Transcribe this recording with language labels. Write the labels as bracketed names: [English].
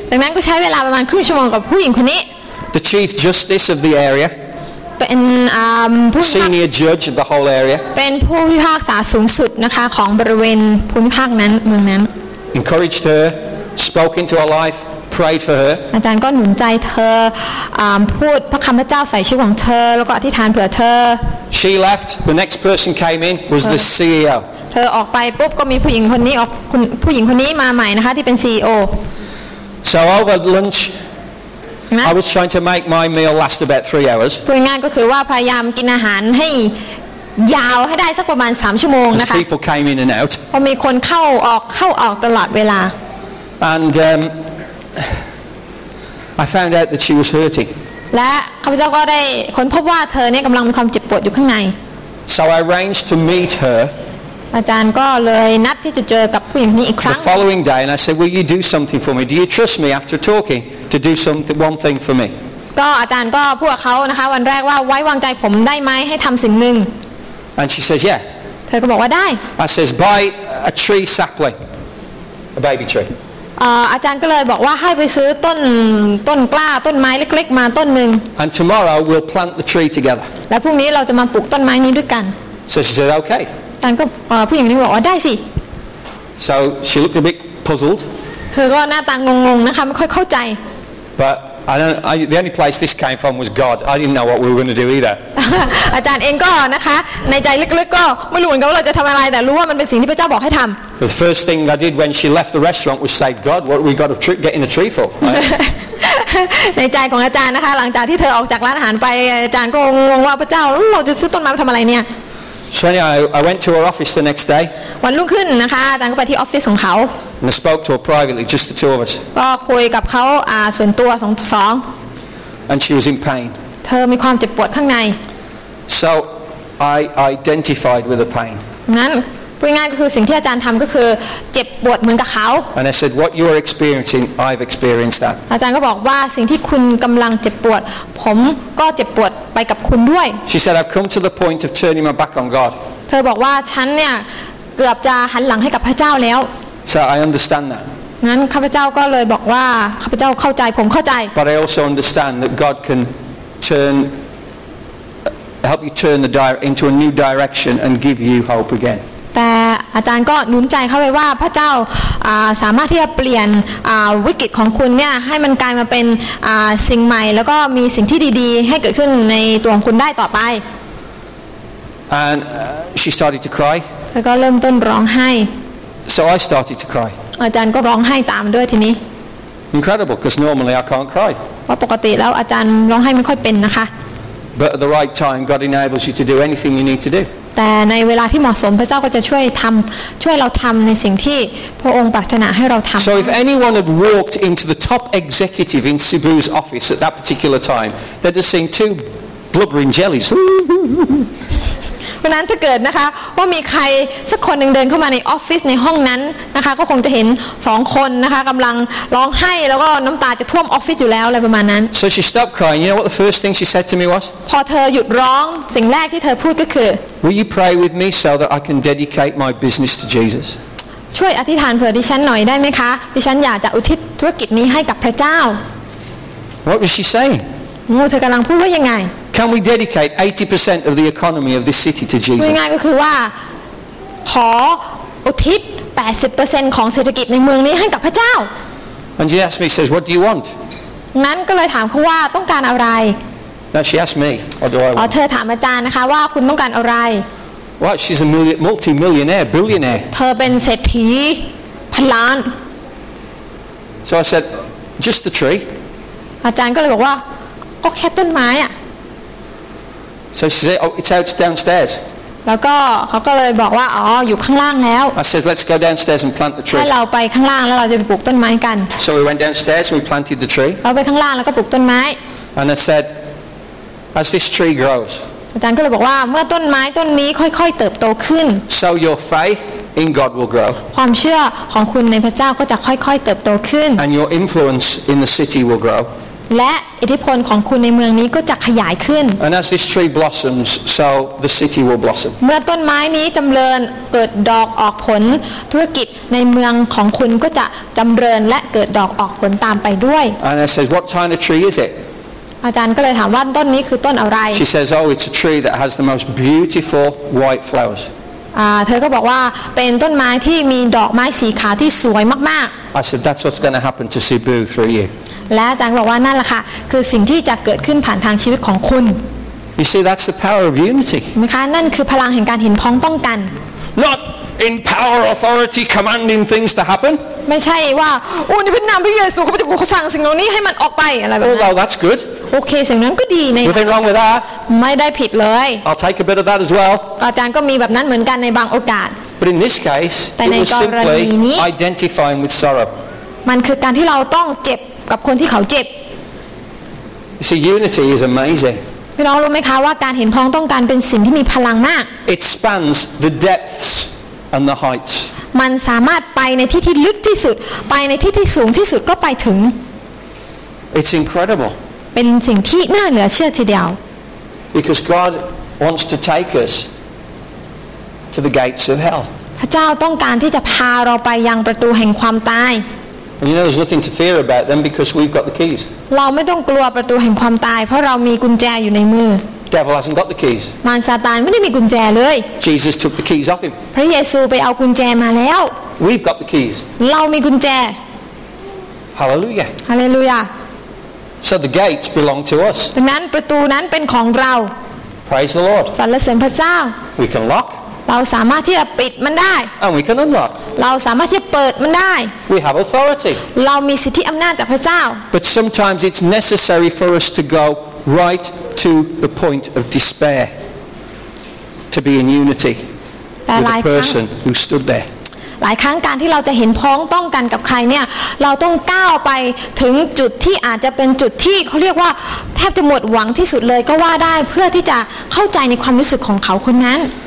[Thai] ดังนั้นก็ใช้เวลาประมาณครึ่งชั่วโมงกับผู้หญิงคนนี้ [English] The chief justice of the area. [Thai] เป็น ผู้ [English] senior judge of the whole area. [Thai] เป็นผู้พิพากษาสูงสุดนะคะของบริเวณภูมิภาคนั้นเมืองนั้น [English] Encouraged her, spoke into her life, prayed for her. [Thai] อาจารย์ก็หนุนใจเธอพูดพระคำพระเจ้าใส่ชีวิตของเธอแล้วก็อธิษฐานเผื่อเธ [English] อ She left. The next person came in was the CEO. [Thai] เธอออกไปปุ๊บก็มีผู้หญิงคนนี้ออกผู้หญิงคนนี้มาใหม่นะคะที่เป็น CEO [English] So over lunch I was trying to make my meal last about 3 hours [Thai] พูดง่ายก็คือว่าพยายามกินอาหารให้ยาวให้ได้สักประมาณ3ชั่วโมงนะคะ [English] People came in and out [Thai] พอมีคนเข้าออกตลอดเวลา [English] And I found out that she was hurting [Thai] และข้าพเจ้าก็ได้ค้นพบว่าเธอเนี่ยกำลังมีความเจ็บปวดอยู่ข้างใน [English] So I arranged to meet her [Thai] อาจารย์ก็เลยนัดที่จะเจอกับผู้หญิงนี้อีกครั้ง [English] The following day and I said will you do something for me do you trust me after talking to do something one thing for me [Thai] ก็อาจารย์ก็พูดกับเขานะคะวันแรกว่าไว้วางใจผมได้ไหมให้ทำสิ่งหนึ่ง [English] And she says yes [Thai] เธอก็บอกว่าได้ [English] I says buy a tree sapling a baby tree [Thai] อาจารย์ก็เลยบอกว่าให้ไปซื้อต้นกล้าต้นไม้เล็กๆมาต้นนึง [English] And tomorrow we'll plant the tree together [Thai] และพรุ่งนี้เราจะมาปลูกต้นไม้นี้ด้วยกัน [English] So she said okay [Thai] ท่านก็ผู้หญิงนี้บอกว่าได้สิ [English] So she looked a bit puzzled [Thai] เธอก็หน้าตางงๆนะคะไม่ค่อยเข้าใจ [English] But the only place this came from was God I didn't know what we were going to do either [Thai] อาจารย์เองก็นะคะในใจลึกๆก็ไม่รู้เหมือนกันว่าเราจะทำอะไรแต่รู้ว่ามันเป็นสิ่งที่พระเจ้าบอกให้ทำ [English] The first thing I did when she left the restaurant was say God what we got to get in a tree for [Thai] ในใจของอาจารย์นะคะหลังจากที่เธอออกจากร้านอาหารไปอาจารย์ก็งงว่าพระเจ้าเราจะซื้อต้นไม้ทำอะไรเนี่ย [English] So anyway, I went to her office the next day. [Thai] วันรุ่งขึ้นนะคะอาจารย์ก็ไปที่ออฟฟิศของเขา [English] And I spoke to her privately, just the two of us. [Thai] ก็คุยกับเขาส่วนตัวสองต่อสอง [English] And she was in pain. [Thai] เธอมีความเจ็บปวดข้างใน [English] So I identified with the pain. [Thai] งั้นพูดง่ายก็คือสิ่งที่อาจารย์ทำก็คือเจ็บปวดเหมือนกับเขา [English] And I said, what you are experiencing, I've experienced that. [Thai] อาจารย์ก็บอกว่าสิ่งที่คุณกำลังเจ็บปวดผมก็เจ็บปวดไปกับคุณด้วย [English] She said I've come to the point of turning my back on God [Thai] เธอบอกว่าฉันเนี่ยเกือบจะหันหลังให้กับพระเจ้าแล้ว [English] So I understand that [Thai] งั้นข้าพเจ้าก็เลยบอกว่าข้าพเจ้าเข้าใจผมเข้าใจ [English] But I also understand that God can turn help you turn the into a new direction and give you hope again [Thai] แต่อาจารย์ก็หนุนใจเข้าไปว่าพระเจ้าสามารถที่จะเปลี่ยนวิกฤตของคุณเนี่ยให้มันกลายมาเป็นสิ่งใหม่แล้วก็มีสิ่งที่ดีๆให้เกิดขึ้นในตัวของคุณได้ต่อไป [English] And she started to cry [Thai] แล้วก็เริ่มต้นร้องไห้ [English] So I started to cry [Thai] อาจารย์ก็ร้องไห้ตามด้วยทีนี้ [English] Incredible because normally I can't cry [Thai] เพราะปกติแล้วอาจารย์ร้องไห้ไม่ค่อยเป็นนะคะ [English] But at the right time God enables you to do anything you need to dodo [Thai] แต่ในเวลาที่เหมาะสมพระเจ้าก็จะช่วยเราทำในสิ่งที่พระองค์ปรารถนาให้เราทำ [English] So if anyone had walked into the top executive in Cebu's office at that particular time they'd have seen two blubbering jellies [Thai] วันนั้นถ้าเกิดนะคะว่ามีใครสักคนหนึ่งเดินเข้ามาในออฟฟิศในห้องนั้นนะคะก็คงจะเห็น2คนนะคะกำลังร้องไห้แล้วก็น้ำตาจะท่วมออฟฟิศอยู่แล้วอะไรประมาณนั้น [English] So she stopped crying you know what the first thing she said to me was [Thai] พอเธอหยุดร้องสิ่งแรกที่เธอพูดก็คือ [English] Will you pray with me so that I can dedicate my business to Jesus [Thai] ช่วยอธิษฐานเผื่อดิฉันหน่อยได้ไหมคะดิฉันอยากจะอุทิศธุรกิจนี้ให้กับพระเจ้า [English] What was she saying? [Thai] เธอกำลังพูดว่ายังไง [English] Can we dedicate 80% of the economy of this city to Jesus? [Thai] พูดง่ายก็คือว่าขออุทิศ 80% ของเศรษฐกิจในเมืองนี้ให้กับพระเจ้า [English] And she asked me, says, what do you want? [Thai] งั้นก็เลยถามเขาว่าต้องการอะไร [English] Now she asked me, what do I want? [Thai] เธอถามอาจารย์นะคะว่าคุณต้องการอะไร [English] What? She's a multi-millionaire, billionaire. [Thai] เธอเป็นเศรษฐีพันล้าน [English] So I said, just the tree. [Thai] อาจารย์ก็เลยบอกว่าก็แค่ต้นไม้อ่ะ [English] So she said, oh, it's out downstairs. [Thai] แล้วก็เขาก็เลยบอกว่าอ๋ออยู่ข้างล่างแล้ว [English] I said, let's go downstairs and plant the tree. [Thai] ให้เราไปข้างล่างแล้วเราจะปลูกต้นไม้กัน [English] So we went downstairs and we planted the tree. [Thai] เราไปข้างล่างแล้วก็ปลูกต้นไม้ [English] And I said, as this tree grows. [Thai] อาจารย์ก็เลยบอกว่าเมื่อต้นไม้ต้นนี้ค่อยๆเติบโตขึ้น [English] So your faith in God will grow [Thai] ความเชื่อของคุณในพระเจ้าก็จะค่อยๆเติบโตขึ้น [English] And your influence in the city will grow [Thai] และอิทธิพลของคุณในเมืองนี้ก็จะขยายขึ้น [English] And as this tree blossoms so the city will blossom [Thai] เมื่อต้นไม้นี้จำเริญเกิดดอกออกผลธุรกิจในเมืองของคุณก็จะจำเริญและเกิดดอกออกผลตามไปด้วย [English] And I says what kind of tree is it [Thai] อาจารย์ก็เลยถามว่าต้นนี้คือต้นอะไร [English] She says, "Oh, it's a tree that has the most beautiful white flowers." [Thai] เธอก็บอกว่าเป็นต้นไม้ที่มีดอกไม้สีขาวที่สวยมาก [English] ๆ I said, "That's what's going to happen to Cebu through you." [Thai] และอาจารย์บอกว่านั่นล่ะค่ะคือสิ่งที่จะเกิดขึ้นผ่านทางชีวิตของคุณ [English] You see, that's the power of unity. [Thai] นะคะนั่นคือพลังแห่งการเห็นพ้องต้องกัน [English] Not in power, authority, commanding things to happen. [Thai] ไม่ใช่ว่าโอ้ในพระนามพระเยซูเขาจะสั่งสิ่งเหล่านี้ให้มันออกไปอะไรแบบนั้ น [English] Oh well, that's good. [Thai] โอเคสิ่งนั้นก็ดีใน [English] Nothing wrong with that. [Thai] ไม่ได้ผิดเลย [English] I'll take a bit of that as well. [Thai] อาจารย์ก็มีแบบนั้นเหมือนกันในบางโอกาส [English] But in this case, it was simply identifying with sorrow. [Thai] มันคือการที่เราต้องเจ็บกับคนที่เขาเจ็บ [English] See, unity is amazing. [Thai] พี่น้องรู้ไหมคะว่าการเห็นพ้องต้องการเป็นสิ่งที่มีพลังมาก [English] It spans the depths and the heights. [Thai] มันสามารถไปในที่ที่ลึกที่สุดไปในที่ที่สูงที่สุดก็ไปถึง [English] It's incredible [Thai] เป็นสิ่งที่น่าเหลือเชื่อทีเดียว [English] Because God wants to take us to the gates of hell [Thai] พระเจ้าต้องการที่จะพาเราไปยังประตูแห่งความตาย [English] And you know there's nothing to fear about them because we've got the keys [Thai] เราไม่ต้องกลัวประตูแห่งความตายเพราะเรามีกุญแจอยู่ในมือ [English] Devil hasn't got the keys. [Thai] มารซาตานไม่ได้มีกุญแจเลย [English] Jesus took the keys off him. [Thai] พระเยซูไปเอากุญแจมาแล้ว [English] We've got the keys. [Thai] เรามีกุญแจ [English] Hallelujah. Hallelujah. So the gates belong to us. [Thai] ดังนั้นประตูนั้นเป็นของเรา [English] Praise the Lord. [Thai] สรรเสริญพระเจ้า [English] We can lock. [Thai] เราสามารถที่จะปิดมันได้ [English] And we can unlock. [Thai] เราสามารถที่จะเปิดมันได้ [English] We have authority. [Thai] เรามีสิทธิอำนาจจากพระเจ้า [English] But sometimes it's necessary for us to goright to the point of despair to be in unity with the person who stood there [Thai] หลายครั้งการที่เราจะเห็นพ้องต้องกันกับใครเนี่ยเราต้องก้าวไปถึงจุดที่อาจจะเป็นจุดที่เขาเรียกว่าแทบจะหมดหวังที่สุดเลยก็ว่าได้เพื่อที่จะเข้าใจในความรู้สึกของเขาคนนั้น